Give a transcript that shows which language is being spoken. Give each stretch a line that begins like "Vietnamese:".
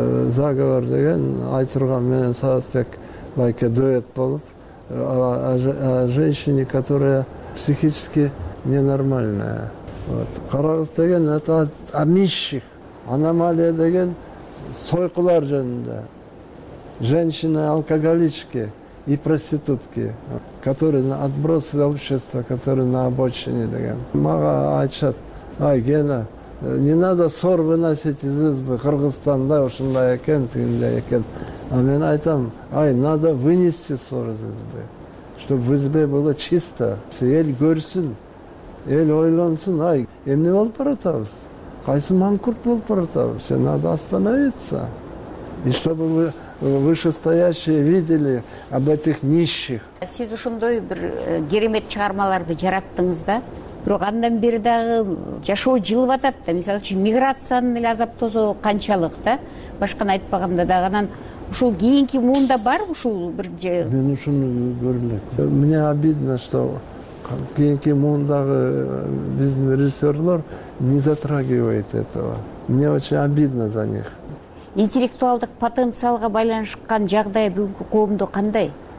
Kyrgyz: Заговор деген Айтурган менен Саатбек байке дуэт болуп,
Russian: о женщине, которая психически ненормальная. Вот. Карагыз деген это о нищих.
Kyrgyz: аномалия деген сойкулар жөнүндө.
Russian: Женщины, алкоголички и проститутки, которые отбросы общества, которые на обочине деген.
Kyrgyz: Мага айтышат: «Ай, Гена,
Russian: не надо ссор выносить из избы,
Kyrgyz: Кыргызстанда ушундай экен, тигиндей экен». А мен айтам:
Russian: «Ай, надо вынести ссор из избы, чтобы в избе было чисто,
Kyrgyz: эл көрсүн, эл ойлонсун, ай, эмне болуп баратабыз? Кайсы маңкурт болуп баратабыз?
Russian: Все надо остановиться. И чтобы вы вышестоящие видели об этих нищих».
Kyrgyz: Сиз ушундай бир керемет чыгармаларды жараттыңыз да. Бирок андан бери дагы жашоо жылып атат да. Мисалы үчүн миграциянын эле азаптоосу канчалык да. Башканы айтпаганда дагы анан ушул кийинки муунда бар ушул бир же. Мен ушуну көрө элек.
Russian: Мне обидно, что
Kyrgyz: кийинки муундагы биздин режиссерлор
Russian: не затрагивает этого. Мне очень обидно за них.
Kyrgyz: Интеллектуалдык потенциалга байланышкан жагдай бүгүнкү коомдо кандай?